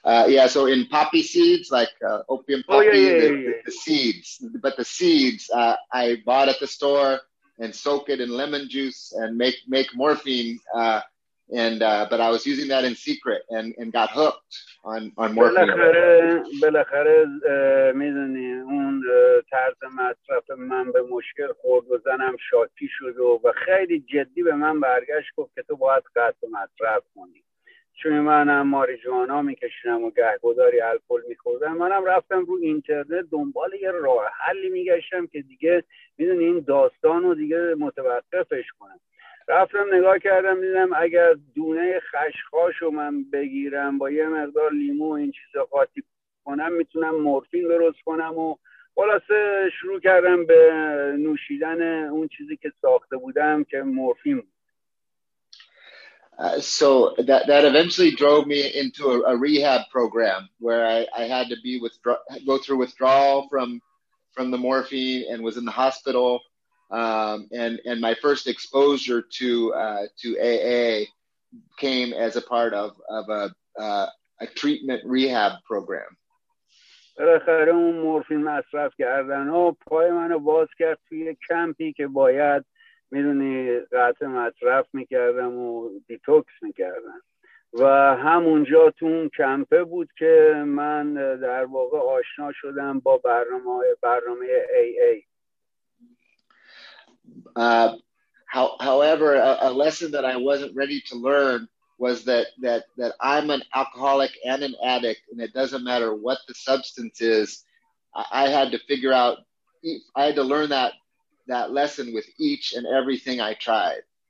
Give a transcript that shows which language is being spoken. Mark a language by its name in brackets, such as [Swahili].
[English] Yeah, so in poppy seeds, like opium poppy, the seeds. But the seeds I bought at the store and soak it in lemon juice and make morphine. But I was using that in secret and got hooked on morphine. [Persian] بالاخره میدونی اون طرز مصرف من به مشکل خورد و زنم شاکی شد و خیلی جدی به من برگشت گفت که تو باید قطع مصرف کنی، چون من هم ماریجوانا میکشیدم و گهگداری الکل میخوردم. منم رفتم رو اینترنت دنبال یه راه حلی میگشتم که دیگه میدونی این داستان رو دیگه متوقفش کنم. رفتم نگاه کردم دیدم اگر دونه خشخاش رو من بگیرم با یه مقدار لیمو این چیزا قاطی کنم میتونم مورفین درست کنم و خلاصه شروع کردم به نوشیدن اون چیزی که ساخته بودم که مورفین بود. [English] So that eventually drove me into a rehab program where I had to be go through withdrawal from the morphine and was in the hospital. And my first exposure to AA came as a part of a treatment rehab program. [Persian] بالاخره اون مورفین مصرف کردن و پای منو باز کرد توی کمپی که باید میدونی قطع مصرف میکردم و دیتوکس میکردم، و همونجا تو اون کمپ بود که من در واقع آشنا شدم با برنامه AA. [English] However, a lesson that I wasn't ready to learn was that I'm an alcoholic and an addict, and it doesn't matter what the substance is. I had to figure out. I had to learn that lesson with each and everything I tried.